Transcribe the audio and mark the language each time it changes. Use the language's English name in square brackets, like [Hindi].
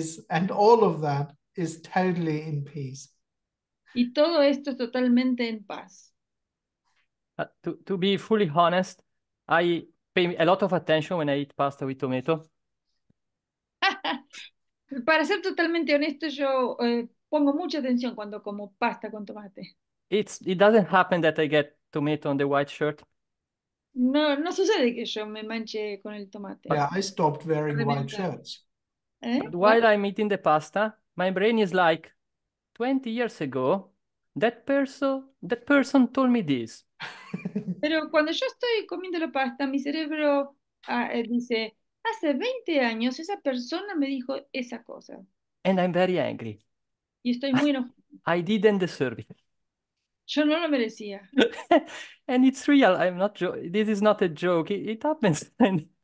[English] And all of that is totally in peace. [Spanish] Y todo esto es totalmente en paz. [English] To be fully honest, I pay a lot of attention when I eat pasta with tomato. [Spanish] Para ser totalmente honesto, yo pongo mucha atención cuando como pasta con tomate. [English] It doesn't happen that I get tomato on the white shirt. [Spanish] No, no sucede que yo me manche con el tomate. [English] Yeah, I stopped wearing white [Spanish] Remera. [English] shirts. [Spanish] ¿Eh? [English] But [Spanish] ¿Cómo? [English] while I'm eating the pasta, my brain is like, 20 years ago, that person told me this. [Spanish] Pero cuando yo estoy comiendo la pasta, mi cerebro dice, hace 20 años esa persona me dijo esa cosa. [English] And I'm very angry. [Spanish] Y estoy muy enojado. [English] I didn't deserve it. [Spanish] Yo no lo merecía. [English] And it's real. I'm not joking. This is not a joke. It happens. And